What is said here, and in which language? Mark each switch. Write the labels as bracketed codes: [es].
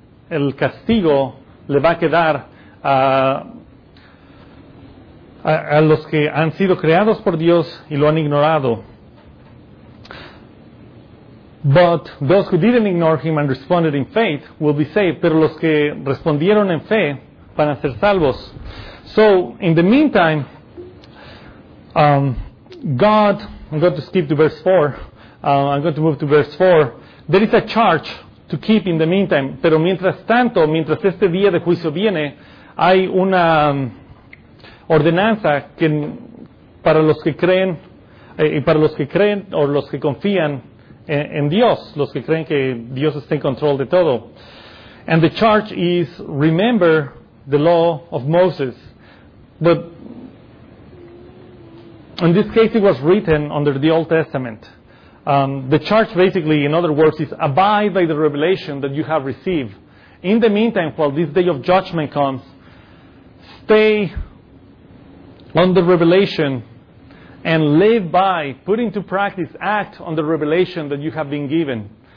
[es] El castigo le va a quedar a los que han sido creados por Dios y lo han ignorado. [en] But those who didn't ignore Him and responded in faith will be saved. Pero los que respondieron en fe van a ser salvos. So, in the meantime, I'm going to skip to verse 4. I'm going to move to verse 4. There is a charge to keep in the meantime. [es] Pero mientras tanto, mientras este día de juicio viene, hay una ordenanza que para los que creen, y para los que creen o los que confían en Dios, los que creen que Dios está en control de todo. [en] And the charge is, remember the law of Moses. But in this case, it was written under the Old Testament. The charge basically, in other words, is abide by the revelation that you have received. In the meantime, while this day of judgment comes, stay on the revelation and live by, put into practice, act on the revelation that you have been given.